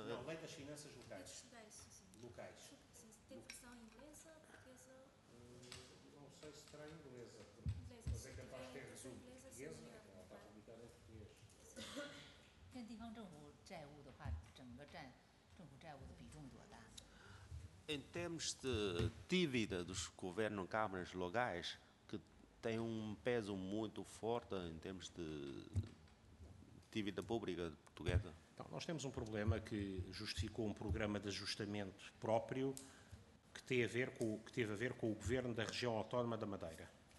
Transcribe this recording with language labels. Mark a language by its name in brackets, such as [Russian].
[Portuguese] Lei das Finanças Locais Locais tem versão inglesa, portuguesa? Não sei se terá inglesa, mas é capaz de ter resumo inglesa, ela está publicada em português. [Chinese] Quem地方政府债务的话，整个占政府债务的比重多大？ [Portuguese] Em termos de dívida dos governos câmaras locais, que tem um peso muito forte em termos de dívida pública portuguesa? Então, nós temos um problema que justificou um programa de ajustamento próprio que teve a ver com o governo da região autónoma da Madeira.